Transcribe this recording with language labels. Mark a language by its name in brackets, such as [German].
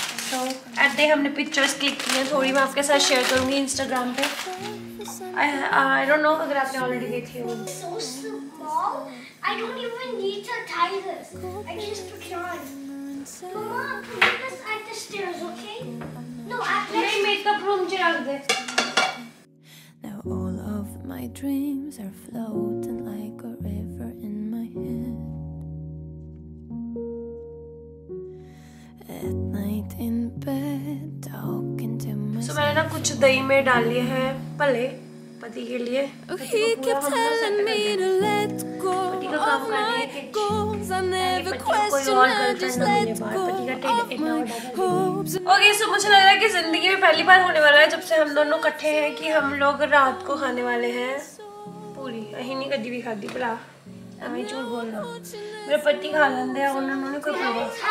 [Hindi] तो ऐसे ही हमने पिक्चर्स क्लिक की हैं, थोड़ी मैं आपके साथ शेयर करूँगी इंस्टाग्राम पर. [English] I don't know [Hindi] अगर आपने ऑलरेडी देखी हो. [English] Now all of my dreams are floating like a river in my head. At night in bed, talking to myself. [Hindi] So मैंने ना कुछ दही में डाल लिए हैं पले पति के लिए. [English] He kept telling me to let go of my goals. I never questioned, just let go. [Hindi] Okay so मुझे लग रहा है कि जिंदगी में पहली बार होने वाला है जब से हम दोनों इकट्ठे हैं कि हम लोग रात को खाने वाले हैं पूरी. अही नहीं कभी भी खाती भला, अभी झूठ बोल रहा. मेरे पति खा लेंगे और उन्होंने कोई बोला.